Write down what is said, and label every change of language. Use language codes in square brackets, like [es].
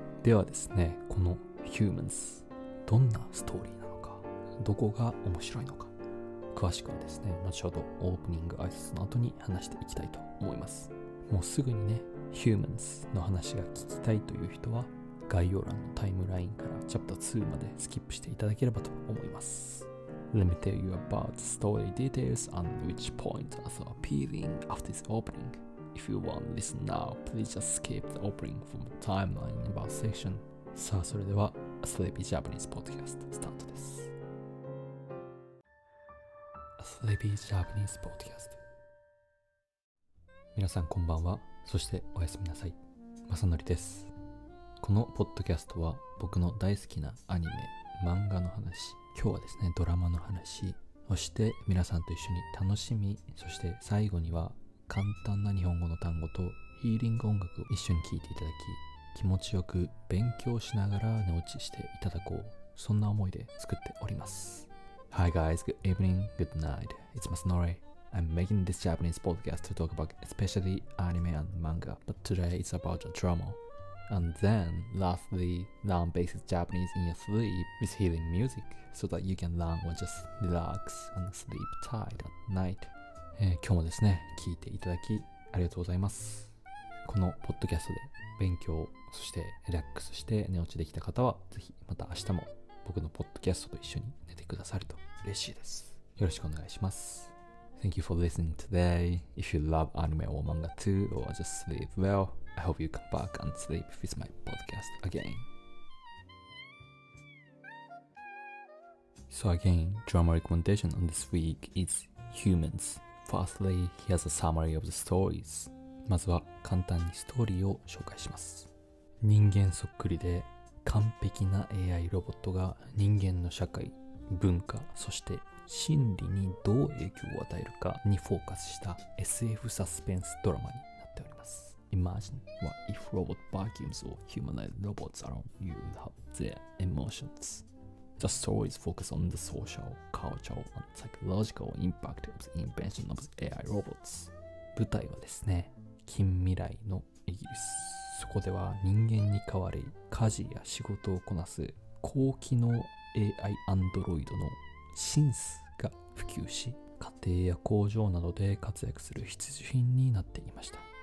[ja] ではですね、この Humans どんなストーリーなのか、どこが面白いのか、詳しくはですね、後ほどオープニング挨拶の後に話していきたいと思います。もうすぐにね、Humans の話が聞きたいという人は、概要欄のタイムラインからチャプター2までスキップしていただければと思います。 [en] Let me tell you about story details and which points are so appealing after this opening. If you want to listen now, please just skip the opening from the timeline about section. [ja] さあ、それでは、Sleepy Japanese Podcast スタートです。 Sleepy Japanese Podcast。 皆さんこんばんは。そしておやすみなさい。 Masanoriです。このポッドキャストは僕の大好きなアニメ、漫画の話、今日はですねドラマの話、そして皆さんと一緒に楽しみ、そして最後には簡単な日本語の単語とヒーリング音楽を一緒に聴いていただき、気持ちよく勉強しながら寝落ちしていただこう、そんな思いで作っております。 [en] Hi guys, good evening, good night, it's Masanori. I'm making this Japanese podcast to talk about especially anime and manga, but today it's about a drama. And then, lastly, learn basic Japanese in your sleep with healing music, so that you can learn or just relax and sleep tight at night. [ja] 今日もですね、聞いていただきありがとうございます。このポッドキャストで勉強、そしてリラックスして寝落ちできた方は、ぜひまた明日も僕のポッドキャストと一緒に寝てくださると嬉しいです。よろしくお願いします。 [en] Thank you for listening today. If you love anime or manga too or just sleep well, I hope you come back and sleep with my podcast again. So again, drama recommendation on this week is Humans. Firstly, here's a summary of the stories. [ja] まずは簡単にストーリーを紹介します。人間そっくりで完璧な AI ロボットが人間の社会、文化、そして心理にどう影響を与えるかにフォーカスした SF サスペンスドラマになっております。 [en] Imagine what if robot vacuums or humanoid robots around you have their emotions. The story is focused on the social, cultural, and psychological impact of the invention of the AI robots. [ja] 舞台はですね、近未来のイギリス。そこでは人間に代わり家事や仕事をこなす高機能 AI アンドロイドのシンスが普及し、家庭や工場などで活躍する必需品になっていました。